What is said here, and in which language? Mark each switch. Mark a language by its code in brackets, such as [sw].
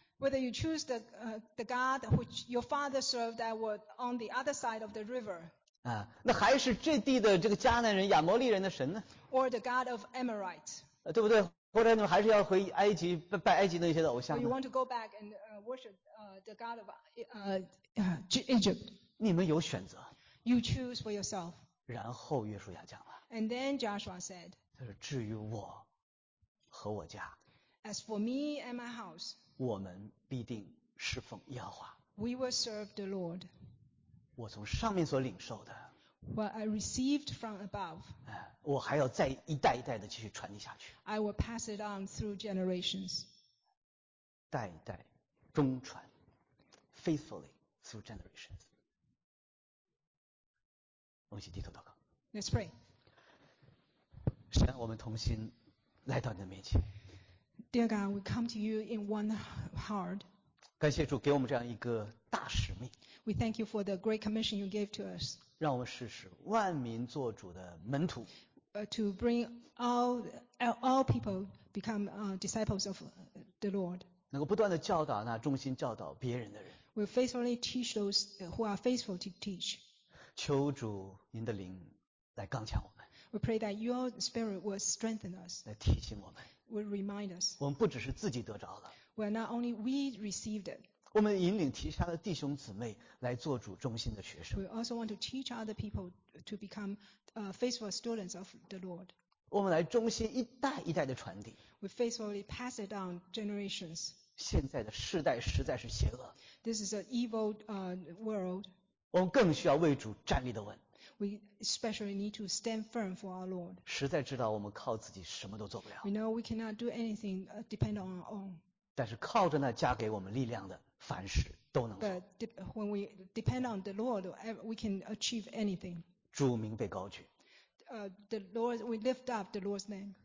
[en] Whether you choose the God which your father served that was on the other side of the river. [zh] 啊，那还是这地的这个迦南人、亚摩利人的神呢 [en] ？Or the God of Amorites. [zh] 对不对？或者你们还是要回埃及拜埃及那些的偶像 [en] ？Or you want to go back and worship the God of Egypt? [zh] 你们有选择。 [en] You choose for yourself. [zh] 然后约书亚讲了。 [en] And then Joshua said. [zh] 他说：“至于我和我家。” [en] As for me and my house. [zh] 我们必定侍奉耶和华。 [en] We will serve the Lord. [zh] 我从上面所领受的。 [en] What I received from above. [zh] 我还要再一代一代的继续传递下去。 [en] I will pass it on through generations. [zh] 代代中传 [en] ，faithfully through generations. [zh] 我们一起低头祷告。 [en] Let's pray. [zh] 神，我们同心来到你的面前。 [en] Dear God, we come to you in one heart. [zh] 感谢主给我们这样一个大使命。 [en] We thank you for the great commission you gave to us. [zh] 让我们试试万民做主的门徒。 [en] To bring all people become disciples of the Lord. [zh] 能够不断的教导那忠心教导别人的人。 [en] We'll faithfully teach those who are faithful to teach. [zh] 求主您的灵来刚强我们。 [en] We pray that your spirit will strengthen us. [zh] 来提醒我们。 [en] Will remind us. [zh] 我们不只是自己得着了。 [en] Well, not only we received it. [zh] 我们引领其他的弟兄姊妹来做主忠心的学生。 [en] We also want to teach other people to become faithful students of the Lord. [zh] 我们来忠心一代一代的传递。 [en] We faithfully pass it down generations. [zh] 现在的世代实在是邪恶。 [en] This is an evil world. [zh] 我们更需要为主站立的稳。 [en] We especially need to stand firm for our Lord. [zh] 实在知道我们靠自己什么都做不了。 [en] We know we cannot do anything depend on our own. [zh] 但是靠着那加给我们力量的，凡事都能做。 [en] But when we depend on the Lord, we can achieve anything. [zh] 主名被高举。 [en] The Lord, we lift up the Lord's name.